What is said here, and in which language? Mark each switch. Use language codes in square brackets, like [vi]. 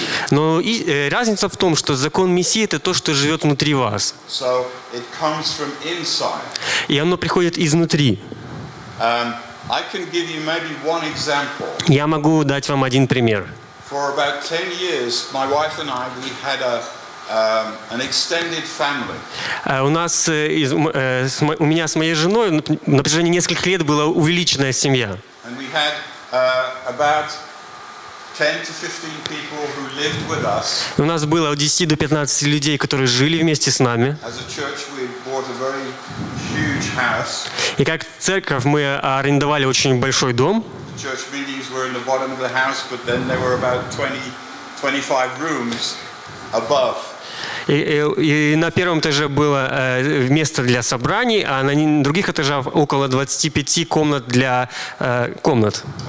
[ru] Но разница в том, что закон Мессии — это то, что живет внутри вас. [en] So it comes from inside. [ru] И оно приходит изнутри. [en] I can give you maybe one example. [ru] Я могу дать вам один пример. [en] For about 10 years, my wife and I, we had an extended family. [ru] У меня с моей женой на протяжении нескольких лет была увеличенная семья. [en] And we had about 10 to 15 people who lived with us. [ru] У нас было от 10 до 15 людей, которые жили вместе с нами. [en] As a church, we bought a very huge house. [ru] И как церковь мы арендовали очень большой дом. [en] The church meetings were in the bottom of the house, but then there were about 20-25 rooms above. [ru] И на первом этаже было место для собраний, а на других этажах около 25 комнат для комнат.